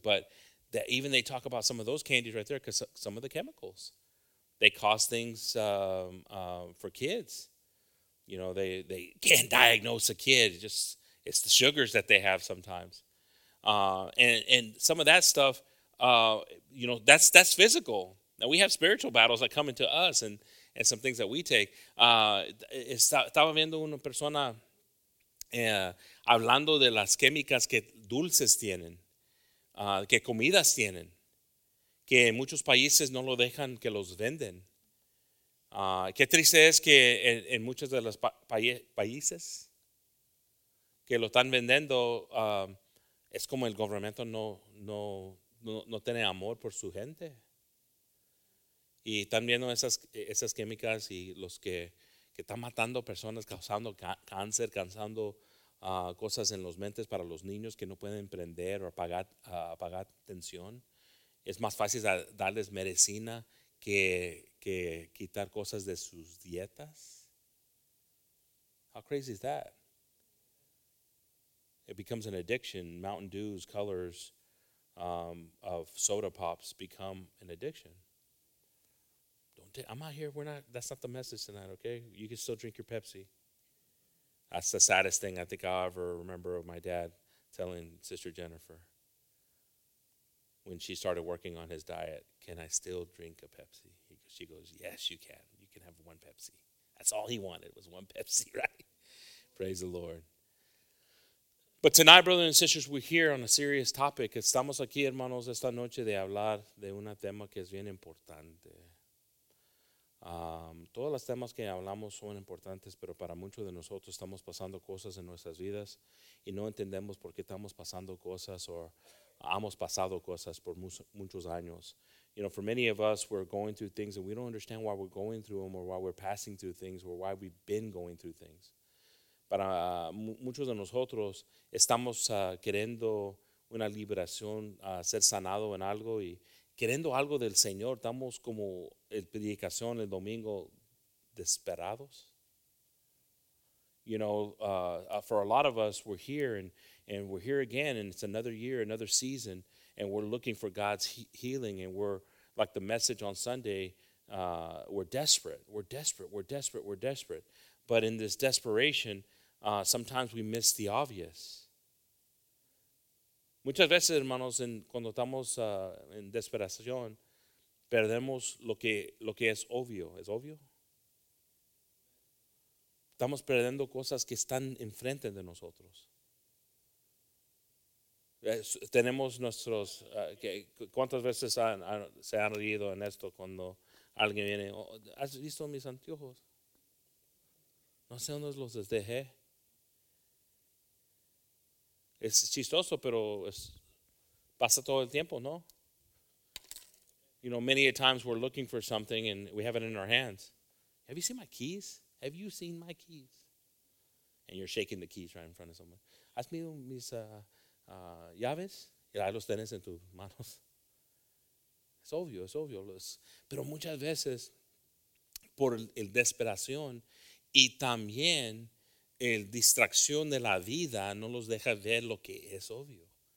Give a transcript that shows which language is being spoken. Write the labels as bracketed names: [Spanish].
[English] But that even they talk about some of those candies right there because some of the chemicals, they cause things for kids. You know, they can't diagnose a kid. It's the sugars that they have sometimes. And some of that stuff, that's physical. Now, we have spiritual battles that come into us and some things that we take. [Spanish] Estaba viendo una persona hablando de las químicas que dulces tienen, que comidas tienen, que en muchos países no lo dejan que los venden. Qué triste es que en muchos de los países que lo están vendiendo, es como el gobierno no tiene amor por su gente. y están viendo esas químicas y los que están matando personas, causando cáncer, causando cosas en los mentes para los niños que no pueden emprender o apagar atención. Es más fácil darles medicina que quitar cosas de sus dietas. [English] How crazy is that? It becomes an addiction. Mountain Dews, colors of soda pops become an addiction. I'm not here. That's not the message tonight, okay? You can still drink your Pepsi. That's the saddest thing I think I ever remember of my dad telling Sister Jennifer when she started working on his diet, can I still drink a Pepsi? She goes, yes, you can. You can have one Pepsi. That's all he wanted was one Pepsi, right? Praise the Lord. But tonight, brothers and sisters, we're here on a serious topic. [Spanish] Estamos aquí, hermanos, esta noche de hablar de un tema que es bien importante. Todos los temas que hablamos son importantes, pero para muchos de nosotros estamos pasando cosas en nuestras vidas y no entendemos por qué estamos pasando cosas o hemos pasado cosas por muchos años. [English] You know, for many of us, we're going through things and we don't understand why we're going through them or why we're passing through things or why we've been going through things. [Spanish] Para muchos de nosotros estamos queriendo una liberación, ser sanado en algo y queriendo algo del Señor. Estamos como el predicación el domingo desesperados. [English] You know, for a lot of us, we're here and we're here again, and it's another year, another season, and we're looking for God's healing, and we're like the message on Sunday. We're desperate. But in this desperation, sometimes we miss the obvious. [Spanish] Muchas veces, hermanos, cuando estamos en desesperación, perdemos lo que es obvio. ¿Es obvio? Estamos perdiendo cosas que están enfrente de nosotros. Tenemos nuestros... ¿Cuántas veces se han reído en esto cuando alguien viene? Oh, ¿has visto mis anteojos? No sé dónde los dejé. Es chistoso, pero pasa todo el tiempo, ¿no? [English] You know, many a times we're looking for something and we have it in our hands. Have you seen my keys? Have you seen my keys? And you're shaking the keys right in front of someone. [Spanish] ¿Has visto mis llaves? Y ahí los tienes en tus manos. Es obvio. Pero muchas veces, por el desesperación y también el distracción de la vida no los deja ver lo que es obvio.